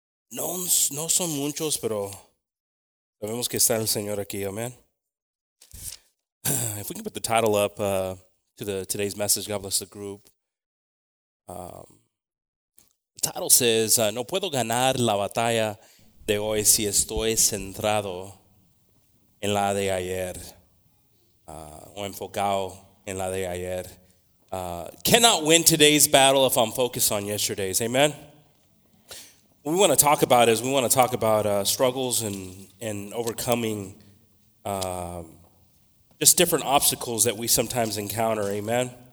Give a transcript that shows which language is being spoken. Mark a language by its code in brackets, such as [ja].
[es] No son muchos, pero sabemos que está el Señor aquí, amen. [en] If we can put the title up to today's message, God bless the group. The title says, [es] No puedo ganar la batalla de hoy si estoy centrado en la de ayer. O enfocado en la de ayer. [en] Cannot win today's battle if I'm focused on yesterday's, amen. What we want to talk about is struggles and overcoming just different obstacles that we sometimes encounter. Amen.